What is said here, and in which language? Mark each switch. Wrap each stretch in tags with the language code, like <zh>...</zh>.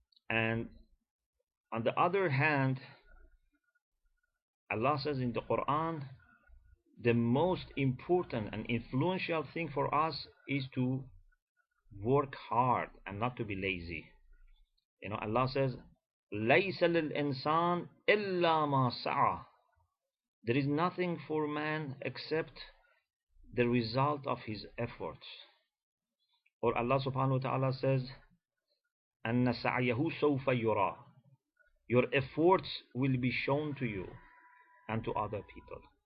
<en>And on the other hand, Allah says in the Quran, the most important and influential thing for us is to work hard and not to be lazy. You know,</en> <ar>Allah says, لَيْسَ لِلْإِنسَانِ إِلَّا مَا سَعَى.</ar> <en>There is nothing for man except the result of his efforts.</en> <ar>Or Allah subhanahu wa ta'ala says, أَنَّ سَعْيَهُ سَوْفَ يُرَى.</ar> <en>Your efforts will be shown to you and to other people.</en>